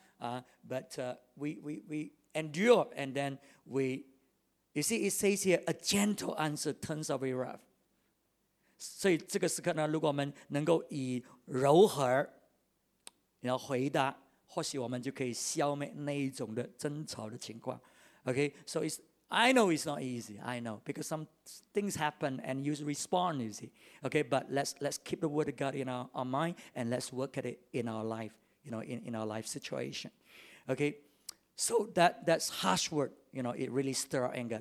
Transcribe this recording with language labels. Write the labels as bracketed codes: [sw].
[en] But we endure, and then we, you see, it says here, a gentle answer turns away wrath. [zh] 所以这个时刻呢，如果我们能够以柔和 然后回答，或许我们就可以消灭那一种的争吵的情况。 [en] Okay, so it's, I know it's not easy, I know, because some things happen and you respond, you see. Okay, but let's keep the word of God in our mind and let's work at it in our life, you know, in our life situation. Okay, so that's harsh word, you know, it really stir our anger.